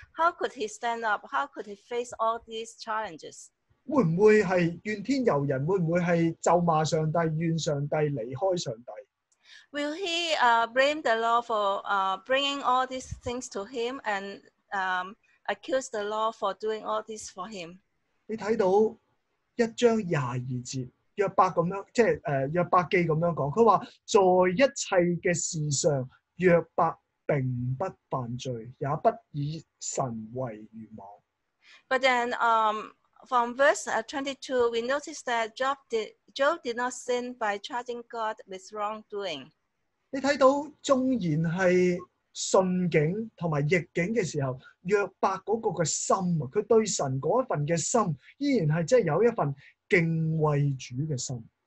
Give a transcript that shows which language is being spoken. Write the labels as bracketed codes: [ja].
[en] How could he stand up? How could he face all these challenges? [yue] 會唔會係怨天尤人？會唔會係咒罵上帝、怨上帝、離開上帝？ [en] Will he blame the law for bringing all these things to him and accuse the law for doing all this for him? [yue] 你睇到一章22節，約伯咁樣，即係約伯記咁樣講，佢話在一切嘅事上，約伯並不犯罪，也不以神為慾望。 [en] But then, from verse 22, we notice that Job did not sin by charging God with wrongdoing. [yue] 你睇到縱然係順境同埋逆境嘅時候，約伯嗰個嘅心啊，佢對神嗰一份嘅心，依然係即係有一份敬畏主嘅心。